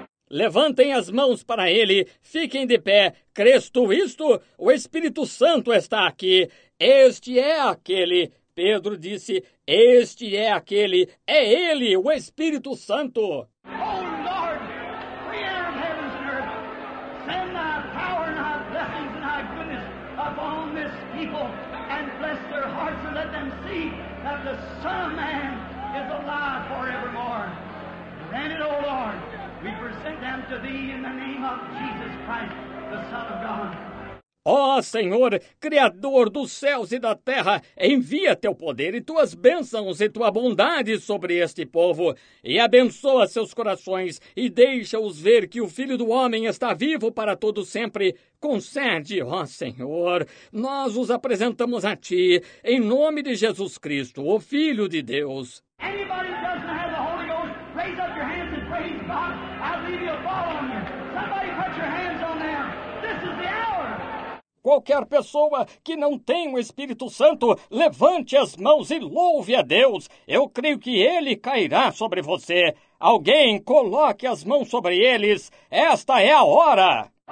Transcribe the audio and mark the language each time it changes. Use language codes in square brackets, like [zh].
[pt] Levantem as mãos para ele, fiquem de pé. Crês tu isto? O Espírito Santo está aqui. Este é aquele. Pedro disse: este é aquele. É ele, o Espírito Santo. [en] Oh, Lord, Creator of heaven and earth, send thy power and thy blessings and thy goodness upon this people and bless their hearts and let them see that the Son of Man is alive forevermore. Grant it, O Lord. We present them to thee in the name of Jesus Christ, the Son of God. [pt] Ó Senhor, Criador dos céus e da terra, envia teu poder e tuas bênçãos e tua bondade sobre este povo. E abençoa seus corações e deixa-os ver que o Filho do Homem está vivo para todo sempre. Concede, ó Senhor, nós os apresentamos a ti, em nome de Jesus Cristo, o Filho de Deus. [en] Anybody who doesn't have the Holy Ghost, raise up your hands and praise God. I'll leave you a ball on you. Somebody put your hands on them. This is the hour. [pt] Qualquer pessoa que não tem o Espírito Santo, levante as mãos e louve a Deus. Eu creio que ele cairá sobre você. Alguém coloque as mãos sobre eles. Esta é a hora.